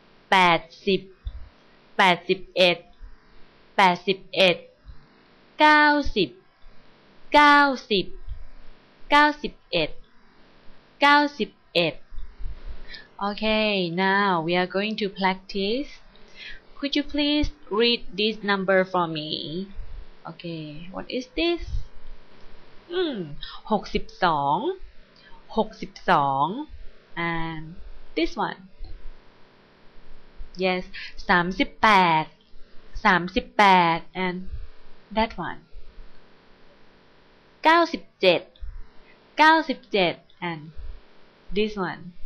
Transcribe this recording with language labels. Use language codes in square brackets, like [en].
[th] แปดสิบแปดสิบเอ็ดแปดสิบเอ็ดเก้าสิบเก้าสิบเก้าสิบเอ็ดเก้าสิบเอ็ด [en] Okay, now we are going to practice. Could you please read this number for me? Okay, what is this? [th] หกสิบสองหกสิบสอง [en] and this one yes [th] สามสิบแปดสามสิบแปด [en] and that one [th] เก้าสิบเจ็ดเก้าสิบเจ็ด [en] and this one